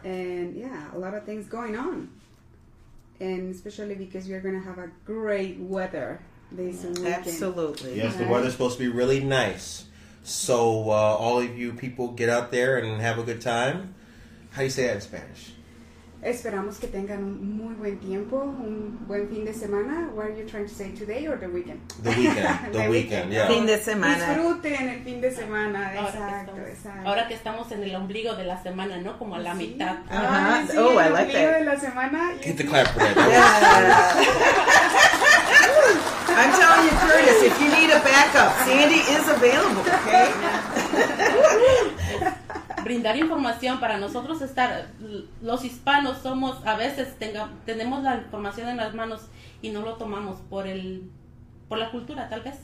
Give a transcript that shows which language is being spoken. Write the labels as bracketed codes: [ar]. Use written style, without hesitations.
[en] And yeah, a lot of things going on. And especially because we are going to have a great weather this weekend. Absolutely. Yes, the weather's supposed to be really nice. So all of you people get out there and have a good time. How do you say that in Spanish? [es] Esperamos que tengan muy buen tiempo, un buen fin de semana. [en] What are you trying to say, today or the weekend? The weekend, [es] fin de semana. Disfruten el fin de semana, exacto. Ahora que estamos en el ombligo de la semana, ¿no? Como a la mitad. Sí, el ombligo de la semana. [en] Get the clap for that. Yeah. I'm telling you, Curtis, if you need a backup, Sandy is available, okay? [es] Brindar información para nosotros estar, los hispanos somos, a veces tenemos la información en las manos y no lo tomamos por la cultura, tal vez.